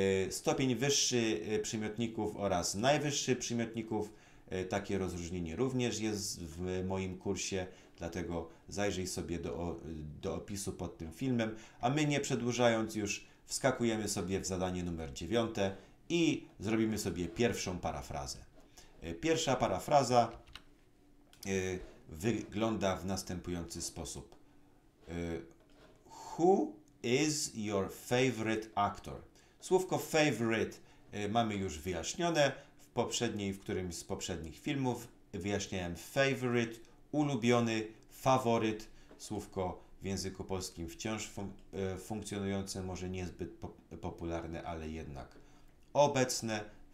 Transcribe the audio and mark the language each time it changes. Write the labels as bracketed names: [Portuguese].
[Polish] Stopień wyższy przymiotników oraz najwyższy przymiotników, takie rozróżnienie również jest w moim kursie, dlatego zajrzyj sobie do opisu pod tym filmem, a my nie przedłużając już wskakujemy sobie w zadanie numer 9 i zrobimy sobie pierwszą parafrazę. Pierwsza parafraza wygląda w następujący sposób. [English] Who is your favorite actor? [Polish] Słówko favorite mamy już wyjaśnione w poprzedniej, w którymś z poprzednich filmów. Wyjaśniałem favorite, ulubiony, faworyt. Słówko w języku polskim wciąż funkcjonujące, może niezbyt popularne, ale jednak obecne.